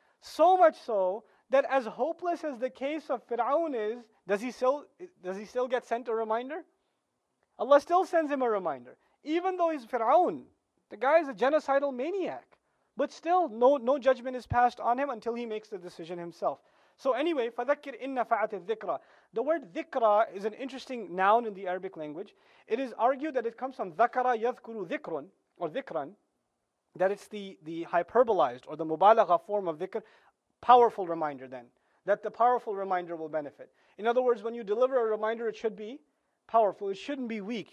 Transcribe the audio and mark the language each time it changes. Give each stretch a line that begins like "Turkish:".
English: So much so that as hopeless as the case of Fir'aun is, does he still get sent a reminder? Allah still sends him a reminder. even though he's Fir'aun, the guy is a genocidal maniac. But still, no judgment is passed on him until he makes the decision himself. So anyway,
Arabic: فَذَكِّرْ إِنَّ فَعَتِ الذِّكْرَى.
English: The word ذِكْرَى is an interesting noun in the Arabic language. It is argued that it comes from ذَكَرَ يَذْكُرُ ذِكْرٌ or ذِكْرًا, that it's the hyperbolized or the mubalagha form of ذِكْر, powerful reminder then, that the powerful reminder will benefit. In other words, when you deliver a reminder, it should be powerful. It shouldn't be weak.